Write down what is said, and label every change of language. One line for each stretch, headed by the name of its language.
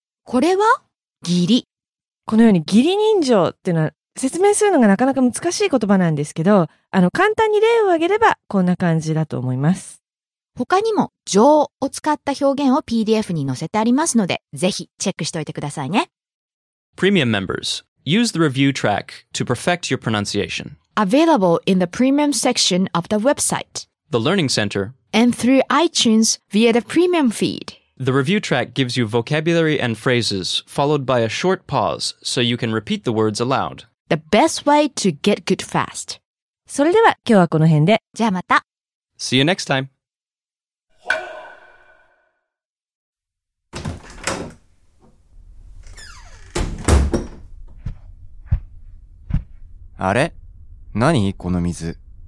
Japanese: これは義理。このように義理人情っていうのは説明するのがなかなか難しい言葉なんですけど、簡単に例を挙げればこんな感じだと思います。他にも情を使った表現を PDF に載せてありますので、ぜひチェックしておいてくださいね。
English: Premium members, use the review track to perfect your pronunciation. Available in the premium section of the website, the learning center, and through iTunes via the premium feed. The review track gives you vocabulary and phrases followed by a short pause so you can repeat the words aloud. The best way to get good fast.
Japanese: それでは今日はこの辺で。じゃあまた。
English: See you next time.
Japanese: あれ？何この水。